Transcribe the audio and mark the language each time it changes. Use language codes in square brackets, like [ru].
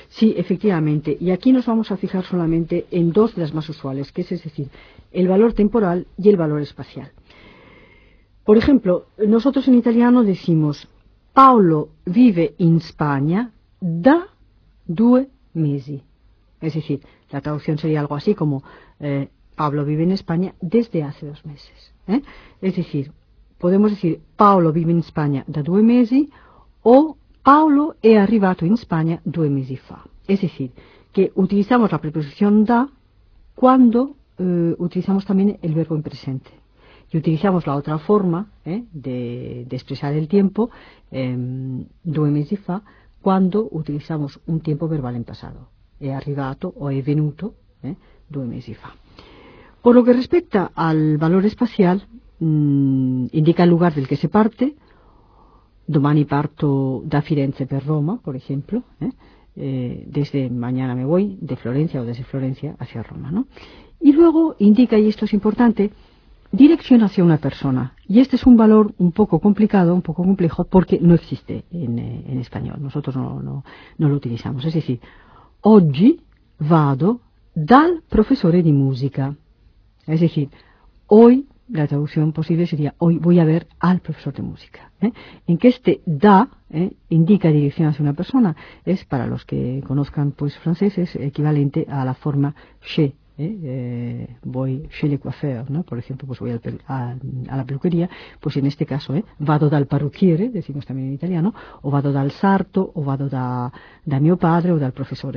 [es] Sí, efectivamente, y aquí nos vamos a fijar solamente en dos de las más usuales, que es decir, el valor temporal y el valor espacial. Por ejemplo, nosotros en italiano decimos [it] Paolo vive in Spagna da due mesi. [es] Es decir, la traducción sería algo así como Pablo vive en España desde hace dos meses. Es decir, podemos decir [it] Paolo vive in Spagna da due mesi [es] o [it] Paolo è arrivato in Spagna due mesi fa. [es] Es decir, que utilizamos la preposición da cuando utilizamos también el verbo en presente. Y utilizamos la otra forma de expresar el tiempo, [it] due mesi fa, [es] cuando utilizamos un tiempo verbal en pasado. [it] He arrivato o he venuto due mesi fa. [es] Por lo que respecta al valor espacial, indica el lugar del que se parte. [it] Domani parto da Firenze per Roma, [es] por ejemplo. Desde mañana me voy de Florencia o desde Florencia hacia Roma, ¿no? Y luego indica, y esto es importante, dirección hacia una persona. Y este es un valor un poco complicado, un poco complejo, porque no existe en español. Nosotros no lo utilizamos. Es decir, [it] oggi vado dal profesore di musica. [es] Es decir, hoy, la traducción posible sería, hoy voy a ver al profesor de música. En que este da indica dirección hacia una persona, es, para los que conozcan pues francés, es equivalente a la forma chez. Voy [fr] chez le coiffeur, [es] ¿no? Por ejemplo, pues voy a la peluquería, pues en este caso, [it] vado dal parrucchiere, [es] decimos también en italiano, o [it] vado dal sarto, [es] o [it] vado da mio padre, [es] o dal profesor.